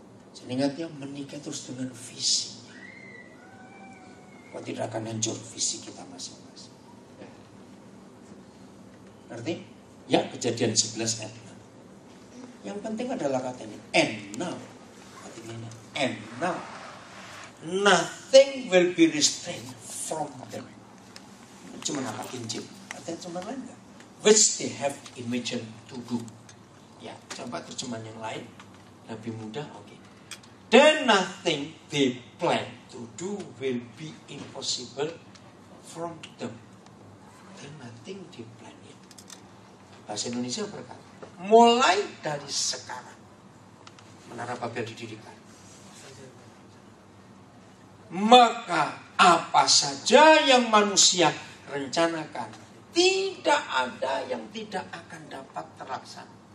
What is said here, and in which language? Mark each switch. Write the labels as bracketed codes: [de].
[id] Jadi ingatnya menikah terus dengan visinya. Kau tidak akan hancur visi kita masing-masing. Ngerti? Ya, Kejadian 11 ayat 5. Yang penting adalah kata ini, and now. Artinya, and now. [en] Nothing will be restrained from them. [id] Cuma apa Injil? Artinya cuma lain gak? [en] Which they have imagined to do. [id] Ya, coba terjemahan yang lain. Lebih mudah, oke. [en] Then nothing they plan to do will be impossible from them. Then nothing they plan it. [id] Bahasa Indonesia berkata, mulai dari sekarang, Menara Babel didirikan. Maka apa saja yang manusia rencanakan, tidak ada yang tidak akan dapat terlaksana.